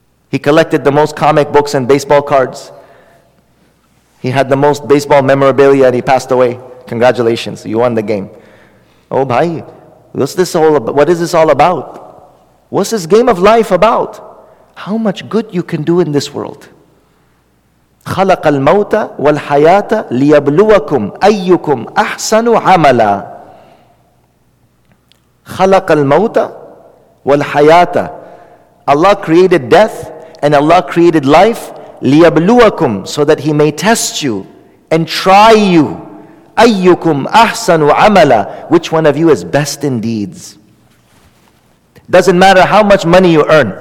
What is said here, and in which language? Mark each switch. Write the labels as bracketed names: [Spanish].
[English] He collected the most comic books and baseball cards. He had the most baseball memorabilia and he passed away. Congratulations, you won the game. Oh, bhai, what's this all about? What is this all about? What's this game of life about? How much good you can do in this world. [Arabic] خلق الموت والحياة ليبلوكم أيكم أحسن عملا. خلق الموت والحياة. [English] Allah created death and Allah created life ليبلوكم, so that He may test you and try you. [Arabic] أيكم أحسن عملا. [English] Which one of you is best in deeds? Doesn't matter how much money you earn.